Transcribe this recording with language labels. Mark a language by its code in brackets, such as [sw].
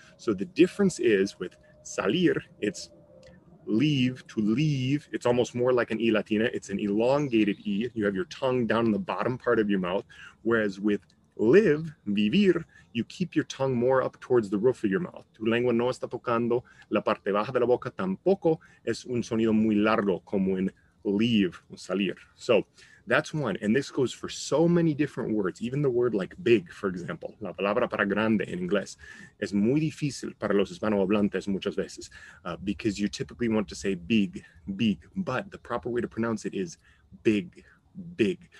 [en] So the difference is with salir, it's leave, to leave. It's almost more like an E latina. It's an elongated E. You have your tongue down in the bottom part of your mouth. Whereas with live, vivir, you keep your tongue more up towards the roof of your mouth. [es] Tu lengua no está tocando la parte baja de la boca tampoco. Es un sonido muy largo, como en leave, salir. [en] So that's one. And this goes for so many different words, even the word like big, for example. [es] La palabra para grande in inglés es muy difícil para los hispanohablantes muchas veces, [en] because you typically want to say big, big. But the proper way to pronounce it is big, big.